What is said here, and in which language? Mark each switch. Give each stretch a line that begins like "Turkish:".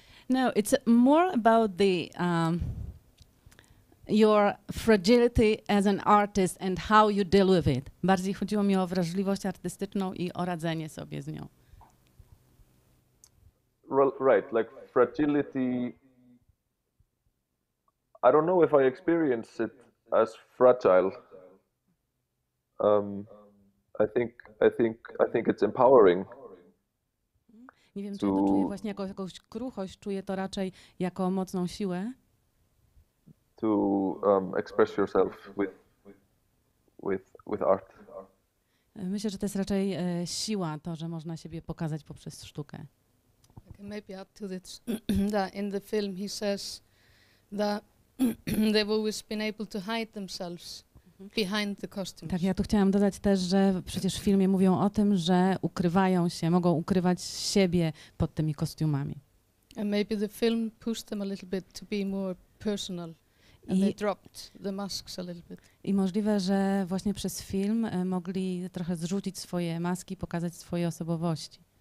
English: No, it's more about the your fragility as an artist and how you deal with it.
Polish: Bardziej chodziło mi o wrażliwość artystyczną i o radzenie sobie z nią.
English: Right, like fragility. I don't know if I experience it as fragile. I think it's empowering.
Polish: Nie wiem, czy to czuję właśnie jako jakąś kruchość, czuję to raczej jako mocną siłę.
English: To express yourself with art.
Polish: Myślę, że to jest raczej siła, to, że można siebie pokazać poprzez sztukę.
English: Okay, maybe add to this. In the film he says that they've always been able to hide themselves behind the costumes.
Polish: Tak, ja tu chciałam dodać też, że przecież w filmie mówią o tym, że ukrywają się, mogą ukrywać siebie pod tymi kostiumami.
English: And maybe the film pushed them a little bit to be more personal and they dropped the masks a little bit.
Polish: I możliwe, że właśnie przez film mogli trochę zrzucić swoje maski, pokazać swoje osobowości.